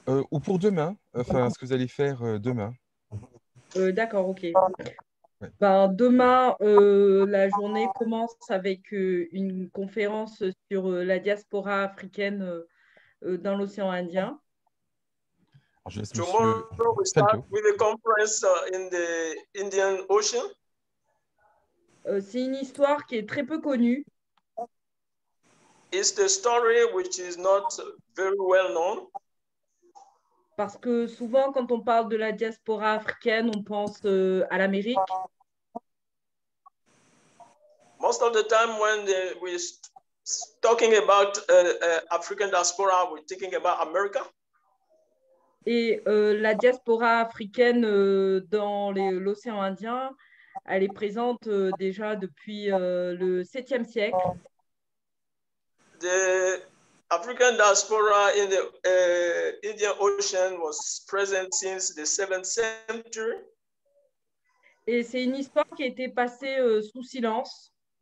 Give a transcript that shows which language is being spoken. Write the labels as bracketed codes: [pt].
[fr] Ou pour demain, enfin, ce que vous allez faire demain. D'accord, ok. Ouais. Ben, demain, la journée commence avec une conférence sur la diaspora africaine dans l'océan Indien. Alors, je laisse Monsieur [en] Tomorrow, we start with a conference in the Indian Ocean. [fr] C'est une histoire qui est très peu connue. [en] It's the story which is not very well known. [fr] Parce que souvent, quand on parle de la diaspora africaine, on pense à l'Amérique. [en] Most of the time, when we're talking about African diaspora, we're thinking about America. [fr] Et la diaspora africaine dans l'océan Indien, elle est présente déjà depuis le 7e siècle. [en] The African diaspora in the Indian Ocean was present since the 7th century. [fr] Et c'est une histoire qui a été passée sous silence.